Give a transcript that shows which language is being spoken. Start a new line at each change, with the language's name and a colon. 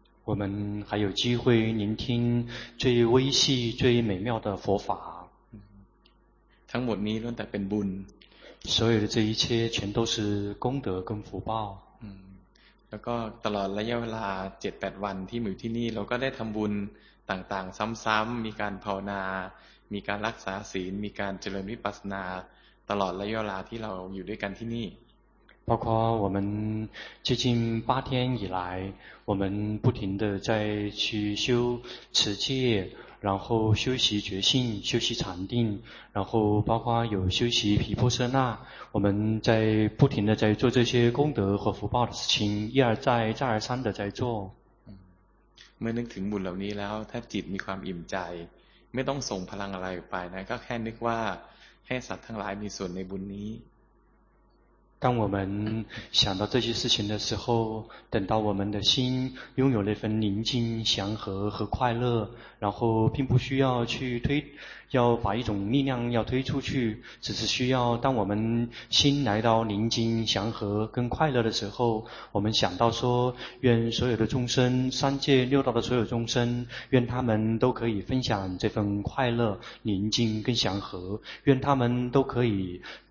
Chinese: 我们还有机会聆听最微细最美妙的佛法。
Thai: ทั้งหมดนี้ล้วนแต่เป็นบุญ。
Chinese: 所有的这一切全都是功德跟福报。
Thai: แล้วก็ตลอดระยะเวลา 7-8 วันที่อยู่ที่นี่เราก็ได้ทำบุญต่างๆซ้ำๆมีการภาวนามีการรักษาศีลมีการเจริญวิปัสสนาตลอดระยะเวลาที่เราอยู่ด้วยกันที่นี่
Chinese: 包括我们接近八天以来我们不停地在去修持戒然后修习觉性，修习禅定，然后包括有修习毗婆舍那，我们在不停的在做这些功德和福报的事情，一而再，再而三的在做。
Thai: เมื่อนึกถึงบุญเหล่านี้แล้วถ้าจิตมีความอิ่มใจไม่ต้องส่งพลังอะไรไปนะก็แค่นึกว่าให้สัตว์ทั้งหลายมีส่วนในบุญนี้
Chinese: 当我们想到这些事情的时候，等到我们的心拥有那份宁静、祥和和快乐，然后并不需要去推，要把一种力量要推出去，只是需要当我们心来到宁静、祥和跟快乐的时候，我们想到说，愿所有的众生，三界六道的所有众生，愿他们都可以分享这份快乐、宁静跟祥和，愿他们都可以。